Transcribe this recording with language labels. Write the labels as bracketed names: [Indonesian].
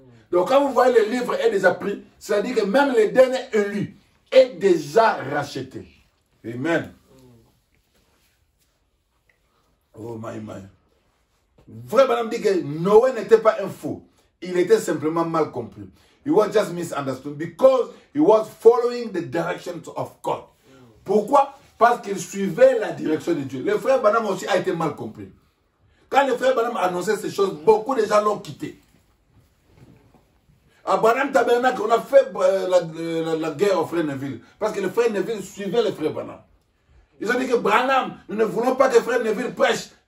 [French] Donc quand vous voyez le livre est déjà pris, c'est-à-dire que même le dernier élu est déjà racheté. Amen. [English] Oh my my. [French] Vrai madame dit que Noé n'était pas un fou. Il était simplement mal compris. [English] He was just misunderstood because he was following the directions of God. [French] Pourquoi? Parce qu'il suivait la direction de Dieu. Le frère Branham aussi a été mal compris. Quand le frère Branham a annoncé ces choses, beaucoup de gens l'ont quitté. À Branham Tabernacle, on a fait la guerre au frère Neville. Parce que le frère Neville suivait le frère Branham. Ils ont dit que Branham, nous ne voulons pas que le frère Neville prêche.